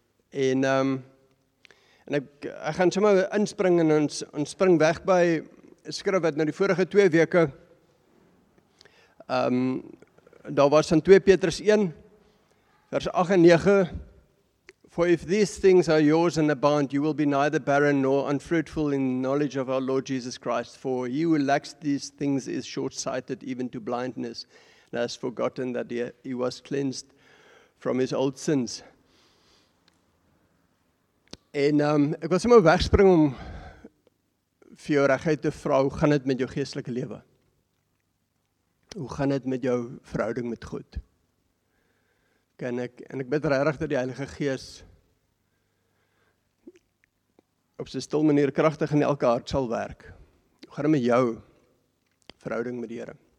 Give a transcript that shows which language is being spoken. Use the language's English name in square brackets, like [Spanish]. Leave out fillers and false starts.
[Afrikaans] Ek gaan sommer inspring en ons spring weg by 'n skrif wat nou die vorige 2 weke daar was in 2 Petrus 1 vers 8 en 9. [English] For if these things are yours and abound, you will be neither barren nor unfruitful in knowledge of our Lord Jesus Christ. For he who lacks these things is short-sighted even to blindness, and has forgotten that he was cleansed from his old sins. [Afrikaans] En ek wil sommer wegspring om vir jou regtig te vra, hoe gaan dit met jou geestelike lewe? Hoe gaan dit met jou verhouding met God? En ek bid regtig dat die Heilige Gees op sy stil manier kragtig in elke hart sal werk. Hoe gaan dit met jou verhouding met die Here?